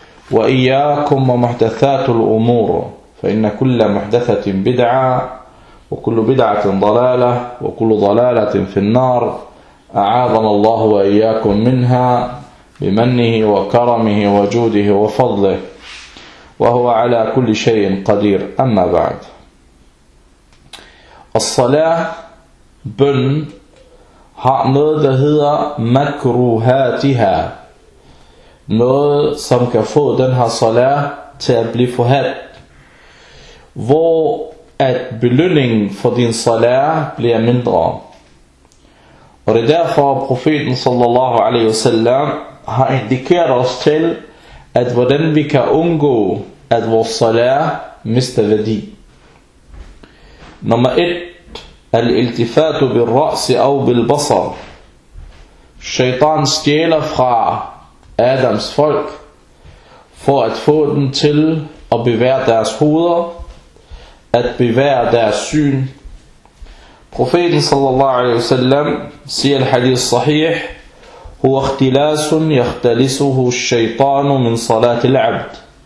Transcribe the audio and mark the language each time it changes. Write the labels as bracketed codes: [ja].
[ar] وإياكم ومحدثات الأمور، فإن كل محدثة بدعة، وكل بدعة ضلالة، وكل ضلالة في النار، أعاذنا الله وإياكم منها بمنه وكرمه وجوده وفضله، وهو على كل شيء قدير. أما بعد، الصلاة بن [da] har noget, der hedder makruhatiha. Noget, som kan få den her salat til at blive forhat. Hvor at belønningen for din salat bliver mindre. Og det er derfor, profeten sallallahu alaihi wasallam har indikeret os til, at hvordan vi kan undgå, at vores salat mister værdi. Nummer 1. [ar] الالتفات بالرأس أو بالبصر. [da] الشيطان stjæler fra Adams folk for at få dem til at bevæge deres hoveder, at bevæge deres syn. Profeten sallallahu alaihi wasallam siger al-hadith sahih: [ar] هو اختلاس يختلسه الشيطان من صلاة العبد.